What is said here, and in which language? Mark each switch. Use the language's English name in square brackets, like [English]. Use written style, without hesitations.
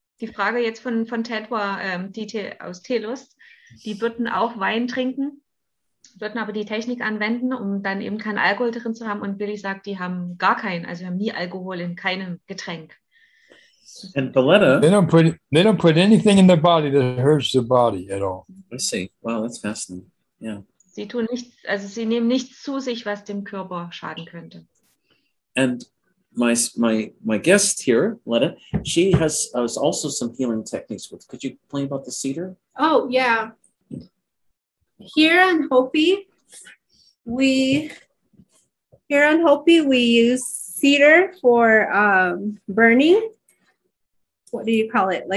[German] Die Frage jetzt von Ted war, aus Telos, die würden auch Wein trinken, würden aber die Technik anwenden, um dann eben keinen Alkohol drin zu haben. Und Billy sagt, die haben gar keinen, also haben nie Alkohol in keinem Getränk. [English] And Paletta, they don't put anything in their body that hurts the body at all. I see. Wow, that's fascinating. Yeah. [German] Sie tun nichts, also sie nehmen nichts zu sich, was dem Körper schaden könnte. [English] And my guest here, Letta, she has also some healing techniques with. Could you explain about the cedar? Oh, yeah. Here in Hopi, we use cedar for burning. What do you call it?